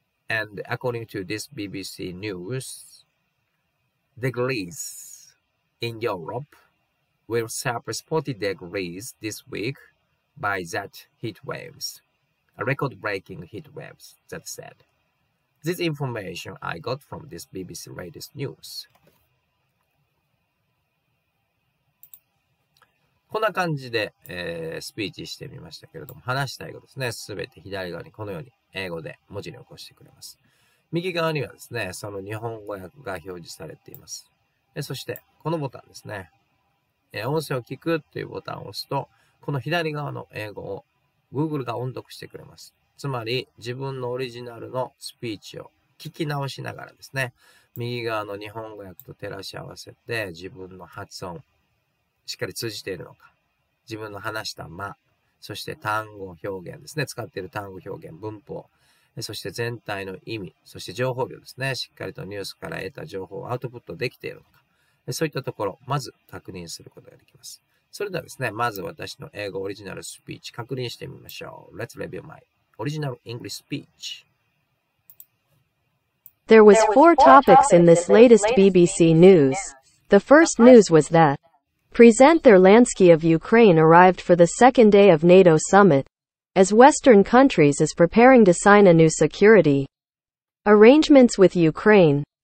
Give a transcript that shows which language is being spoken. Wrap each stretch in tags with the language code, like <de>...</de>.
<en>And according to this BBC news, degrees in Europe will surpass 40 degrees this week by that heat waves, a record-breaking heat waves, that said. This information I got from this BBC latest news.</en> <ja>こんな感じで、スピーチしてみましたけれども、話したいことですね、すべて左側にこのように英語で文字に起こしてくれます。右側にはですね、その日本語訳が表示されています。そして、このボタンですね、音声を聞くというボタンを押すと、この左側の英語を Google が音読してくれます。つまり、自分のオリジナルのスピーチを聞き直しながらですね、右側の日本語訳と照らし合わせて、自分の発音、しっかり通じているのか、自分の話した間、そして単語表現ですね、使っている単語表現、文法、そして全体の意味、そして情報量ですね、しっかりとニュースから得た情報をアウトプットできているのか、そういったところ、まず確認することができます。それではですね、まず私の英語オリジナルスピーチ確認してみましょう。</ja> <en>Let's review my original English speech. There was four topics in this latest BBC news. The first news was that Presenter Lansky of Ukraine arrived for the second day of NATO summit, as Western countries is preparing to sign a new security arrangements with Ukraine.</en>